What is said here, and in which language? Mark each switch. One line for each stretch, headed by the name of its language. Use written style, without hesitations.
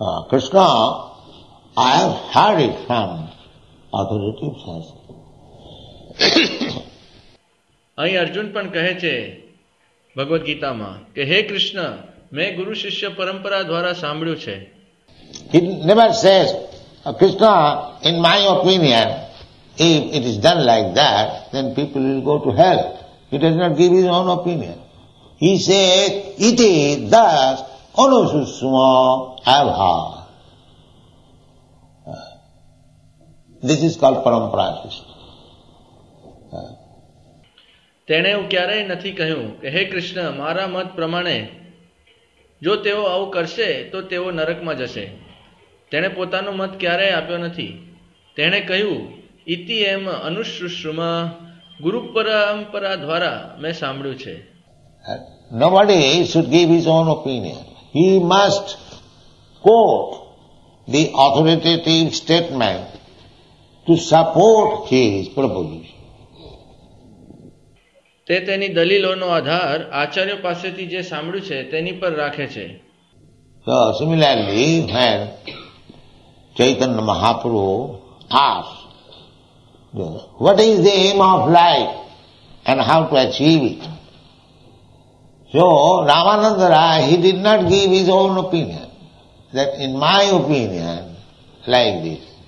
English: Krishna, I have heard it from authoritative sources.
Gujarati: અહી અર્જુન પણ કહે છે ભગવદ ગીતામાં કે હે કૃષ્ણ, મેં ગુરુ શિષ્ય પરંપરા દ્વારા સાંભળ્યું છે.
English: He never says, Krishna, in my opinion, if it is done like that, then people will go to hell. He does not give his own opinion. He says, it is thus, anususuma avha. This is called parampara system.
Gujarati: તેણે એવું ક્યારેય નથી કહ્યું કે હે કૃષ્ણ, મારા મત પ્રમાણે જો તેઓ આવું કરશે તો તેઓ નરકમાં જશે. તેણે પોતાનો મત ક્યારેય આપ્યો નથી. તેણે કહ્યું, ઇતિ એમ અનુશ્રુષુમા, ગુરુ પરંપરા દ્વારા મેં સાંભળ્યું છે.
English: Nobody should give his own opinion. He must quote the authoritative statement to support his proposition.
Gujarati: તે તેની દલીલોનો આધાર આચાર્ય પાસેથી જે સાંભળ્યું છે તેની પર રાખે છે.
English: So similarly when Chaitanya Mahaprabhu asked what is the aim of life and how to achieve it, so Ramananda Ray he did not give his own opinion that in my opinion like this.